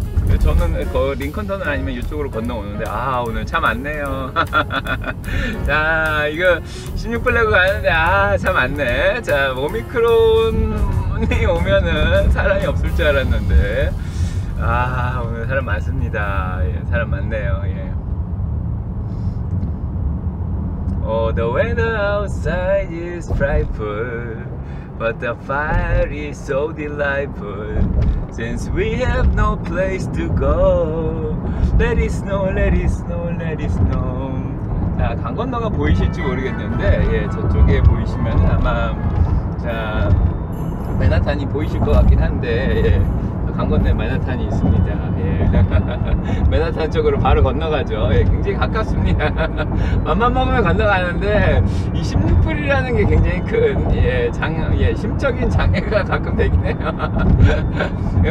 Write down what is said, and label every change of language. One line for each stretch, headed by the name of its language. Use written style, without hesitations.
Korean: 예. 저는 그 링컨 터널 아니면 이쪽으로 건너오는데, 아, 오늘 차 많네요. 자, 이거 16플래그 가는데, 아, 차 많네. 자, 오미크론 오면은 사람이 없을 줄 알았는데, 아, 오늘 사람 많습니다. 예, 사람 많네요. 예.
English: Oh, the weather outside is frightful, but the fire is so delightful. Since we have no place to go, let it snow, let it snow, let it snow.
Korean: 자, 강 건너가 보이실지 모르겠는데, 예, 저쪽에 보이시면 아마, 자, 맨하탄이 보이실 것 같긴 한데, 예. 강 건너 맨하탄이 있습니다. 예. 맨하탄 쪽으로 바로 건너가죠. 예. 굉장히 가깝습니다. 맘만 먹으면 건너가는데, 이 16불이라는 게 굉장히 큰, 예, 심적인 장애가 가끔 되긴 해요. 예.